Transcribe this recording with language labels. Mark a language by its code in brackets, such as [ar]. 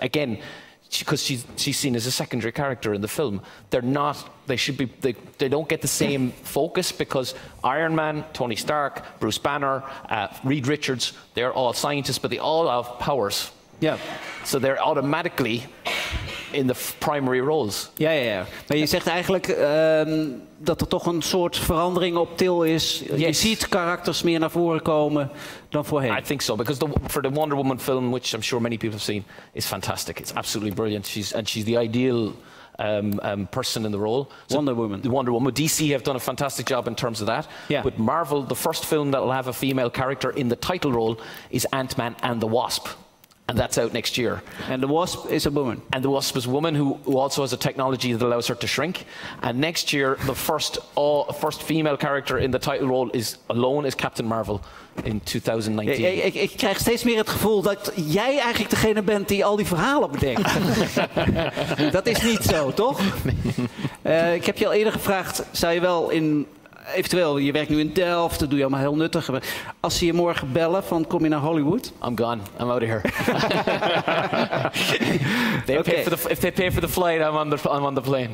[en] Again, because she's seen as a secondary character in the film. They don't get the same focus because Iron Man, Tony Stark, Bruce Banner, Reed Richards, they're all scientists, but they all have powers. Yeah. So they're automatically in the primary roles. Yeah. [nl] Maar je zegt eigenlijk dat er toch een soort verandering op til is. Yes. Je ziet karakters meer naar voren komen dan voorheen. [en] I think so, because for the Wonder Woman film, which I'm sure many people have seen, is fantastic. It's absolutely brilliant. She's the ideal person in the role. So Wonder Woman. The Wonder Woman. DC have done a fantastic job in terms of that. Yeah. With Marvel, the first film that will have a female character in the title role is Ant-Man and the Wasp. And that's out next year. And the Wasp is a woman. And the Wasp is a woman who also has a technology that allows her to shrink. And next year, the first female character in the title role is Captain Marvel in 2019. [nl] Ja, ik krijg steeds meer het gevoel dat jij eigenlijk degene bent die al die verhalen bedenkt. Dat is niet zo, toch? Ik heb je al eerder gevraagd, zou je wel in... Eventueel, je werkt nu in Delft, dat doe je allemaal heel nuttig. Als ze je morgen bellen van kom je naar Hollywood? [en] I'm gone. I'm out of here. If they pay for the flight, I'm on the plane.